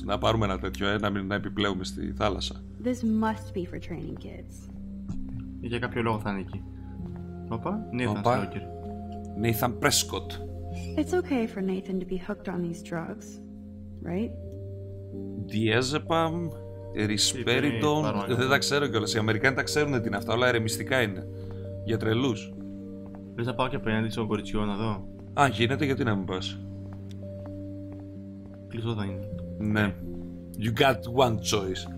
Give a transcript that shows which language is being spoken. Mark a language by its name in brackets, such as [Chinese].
[Greek] Να πάρουμε ένα τέτοιο, να μην επιπλέουμε στη θάλασσα. [English] This must be for training kids. [Greek] Για κάποιο λόγο θα είναι εκεί. Όπα, Nathan Stoker. [English] Nathan Prescott. It's okay for Nathan to be hooked on these drugs, right? Diazepam, Risperidone. [Greek] Δεν τα ξέρω κιόλας. Οι Αμερικάνοι τα ξέρουν τι είναι αυτά. Όλα ερεμιστικά είναι. Για τρελούς. Λες να πάω και απέναντι στον κοριτσιό να δω. Α, γίνεται, γιατί να μην πας. Κλειστό θα είναι. Ναι. [English] Yeah. You got one choice.